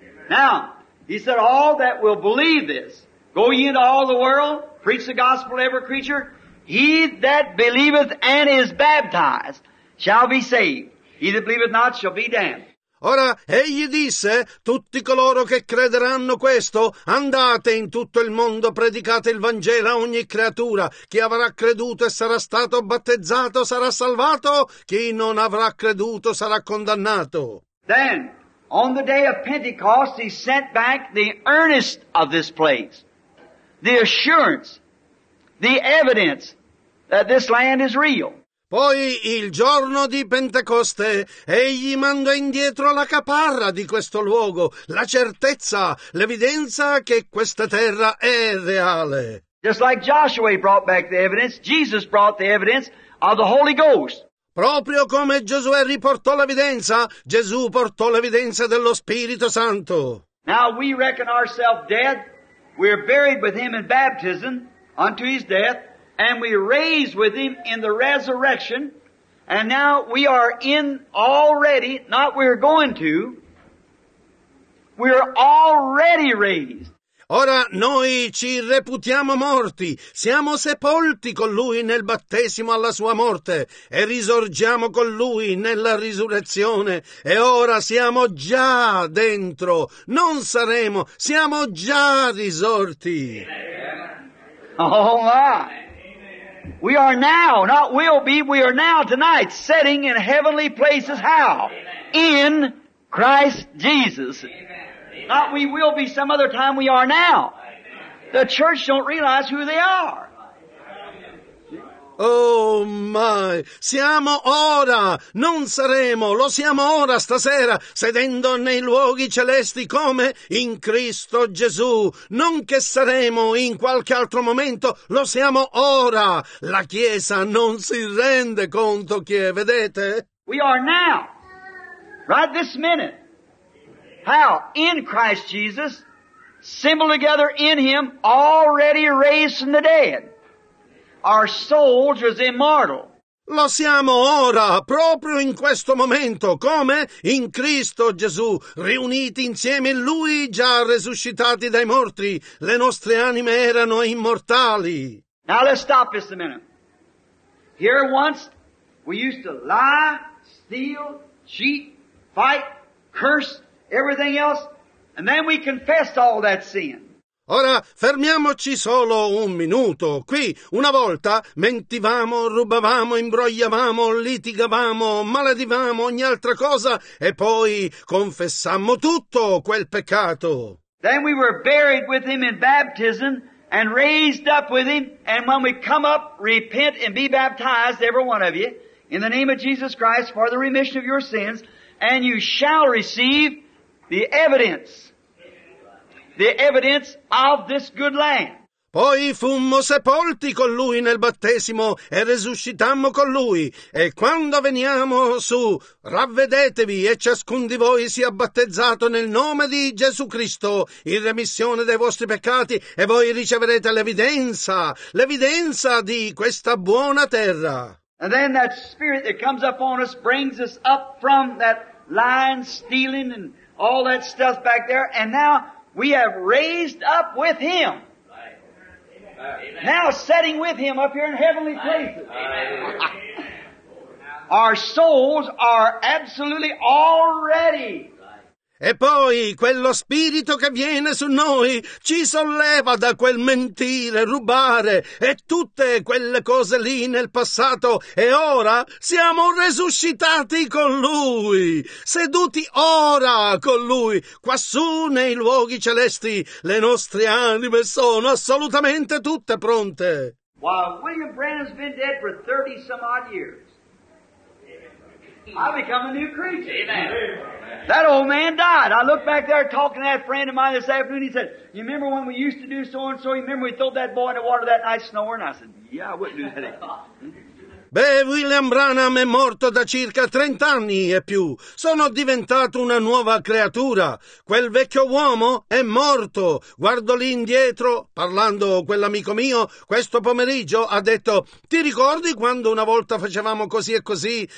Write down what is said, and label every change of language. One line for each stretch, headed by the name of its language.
English: Now, he said, all that will believe this, go ye into all the world, preach the gospel to every creature. He that believeth and is baptized shall be saved. He that believeth not shall be damned.
Italian: Ora, egli disse, tutti coloro che crederanno questo, andate in tutto il mondo, predicate il Vangelo a ogni creatura. Chi avrà creduto e sarà stato battezzato sarà salvato, chi non avrà creduto sarà condannato.
English: Then, on the day of Pentecost, he sent back the earnest of this place, the assurance, the evidence that this land is real.
Italian: Poi, il giorno di Pentecoste, egli mandò indietro la caparra di questo luogo, la certezza, l'evidenza che questa terra è reale.
English: Just like Joshua brought back the evidence, Jesus brought the evidence of the Holy Ghost.
Italian: Proprio come Giosuè riportò l'evidenza, Gesù portò l'evidenza dello Spirito Santo.
English: Now we reckon ourselves dead, we're buried with him in baptism unto his death, and we raised with him in the resurrection, and now we are in already, not we're going to, we're already raised.
Italian: Ora noi ci reputiamo morti, siamo sepolti con lui nel battesimo alla sua morte, e risorgiamo con lui nella risurrezione, e ora siamo già dentro, non saremo, siamo già risorti.
English: Oh my. We are now, not will be, we are now tonight sitting in heavenly places. How? Amen. In Christ Jesus. Amen. Not we will be some other time, we are now. Amen. The church don't realize who they are. Oh my,
Italian: siamo ora, non saremo, lo siamo ora stasera, sedendo nei luoghi celesti come in Cristo Gesù, non che saremo in qualche altro momento, lo siamo ora, la Chiesa non si rende conto che è, vedete?
English: We are now, right this minute, how? In Christ Jesus, symbol together in him, already raised from the dead. Our souls are immortal.
Italian: Lo siamo ora, proprio in questo momento, come? In Cristo Gesù, riuniti insieme a Lui, già resuscitati dai morti, le nostre anime erano immortali.
English: Now let's stop just a minute. Here once we used to lie, steal, cheat, fight, curse, everything else, and then we confessed all that sin.
Italian: Ora fermiamoci solo un minuto. Qui, una volta, mentivamo, rubavamo, imbrogliavamo, litigavamo, maledivamo ogni altra cosa e poi confessammo tutto quel peccato.
English: Then we were buried with him in baptism and raised up with him, and when we come up, repent and be baptized, every one of you, in the name of Jesus Christ for the remission of your sins, and you shall receive the evidence. The evidence of this good land.
Italian: Poi fummo sepolti con lui nel battesimo e resuscitammo con lui. E quando veniamo su, ravvedetevi e ciascun di voi sia battezzato nel nome di Gesù Cristo in remissione dei vostri peccati e voi riceverete l'evidenza di questa buona terra.
English: And then that spirit that comes upon us brings us up from that lying, stealing and all that stuff back there, and now we have raised up with him. Amen. Now sitting with him up here in heavenly places. Amen. Our souls are absolutely already.
Italian: E poi quello spirito che viene su noi ci solleva da quel mentire, rubare e tutte quelle cose lì nel passato e ora siamo resuscitati con Lui, seduti ora con Lui, quassù nei luoghi celesti, le nostre anime sono assolutamente tutte pronte.
English: While William Branham's been dead for 30 some odd years, I become a new creature. Amen. That old man died. I looked back there talking to that friend of mine this afternoon. He said, you remember when we used to do so and so? You remember we threw that boy in the water that night snoring? I said, yeah, I wouldn't do that anymore.
Italian: Beh, William Branham è morto da circa 30 anni e più. Sono diventato una nuova creatura. Quel vecchio uomo è morto. Guardo lì indietro, parlando quell'amico mio, questo pomeriggio, ha detto, ti ricordi quando una volta facevamo così e così?